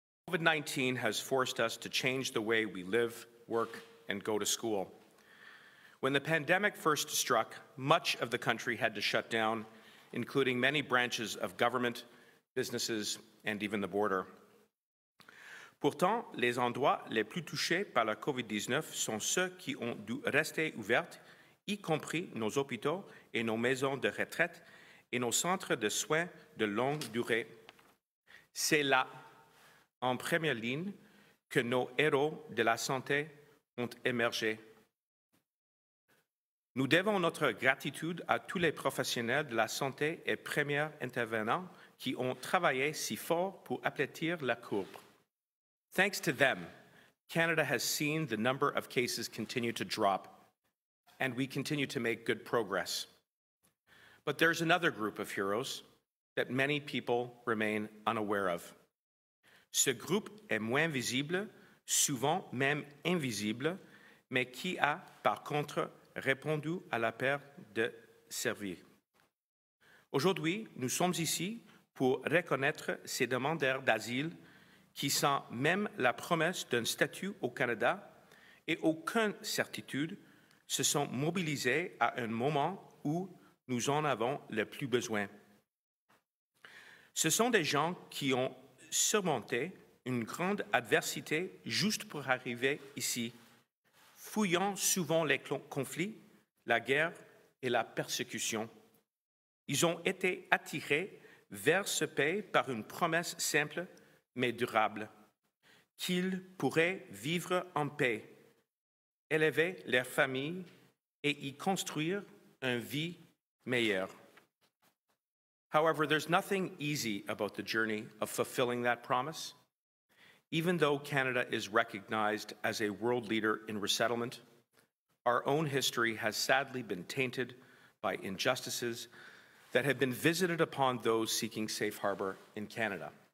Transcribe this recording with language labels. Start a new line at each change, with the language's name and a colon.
English: COVID-19 has forced us to change the way we live, work, and go to school. When the pandemic first struck, much of the country had to shut down, including many branches of government, businesses, and even the border.
French: Pourtant, les endroits les plus touchés par la COVID-19 sont ceux qui ont dû rester ouverts, y compris nos hôpitaux et nos maisons de retraite et nos centres de soins de longue durée. C'est là, en première ligne, que nos héros de la santé ont émergé. Nous devons notre gratitude à tous les professionnels de la santé et premiers intervenants qui ont travaillé si fort pour aplatir la courbe.
English: Thanks to them, Canada has seen the number of cases continue to drop, and we continue to make good progress. But there's another group of heroes that many people remain unaware of.
French: Ce groupe est moins visible, souvent même invisible, mais qui a, par contre, répondu à l'appel de servir. Aujourd'hui, nous sommes ici pour reconnaître ces demandeurs d'asile qui, sans même la promesse d'un statut au Canada et aucune certitude, se sont mobilisés à un moment où nous en avons le plus besoin. Ce sont des gens qui ont surmonté une grande adversité juste pour arriver ici, fouillant souvent les conflits, la guerre et la persécution. Ils ont été attirés vers ce pays par une promesse simple mais durable, qu'ils pourraient vivre en paix, élever leur famille et y construire une vie meilleure.
English: However, there's nothing easy about the journey of fulfilling that promise. Even though Canada is recognized as a world leader in resettlement, our own history has sadly been tainted by injustices that have been visited upon those seeking safe harbor in Canada.